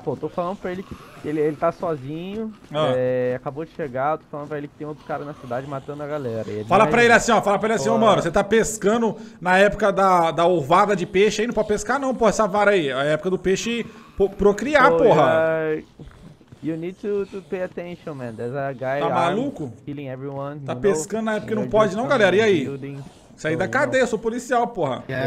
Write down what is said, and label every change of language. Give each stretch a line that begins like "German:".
Portuguese: Pô, tô falando pra ele que ele tá sozinho, acabou de chegar, tô falando pra ele que tem outro cara na cidade matando a galera. Fala pra ele assim, mano, você tá pescando na época da ovada de peixe aí, não pode pescar não, pô, essa vara aí, a época do peixe procriar, pô, porra.
English: You need to pay attention, man, there's a guy
Portuguese: tá maluco?
English: Killing everyone.
Portuguese: Tá pescando na época que não pode não, galera, e aí? Saí da cadeia, eu sou policial, porra.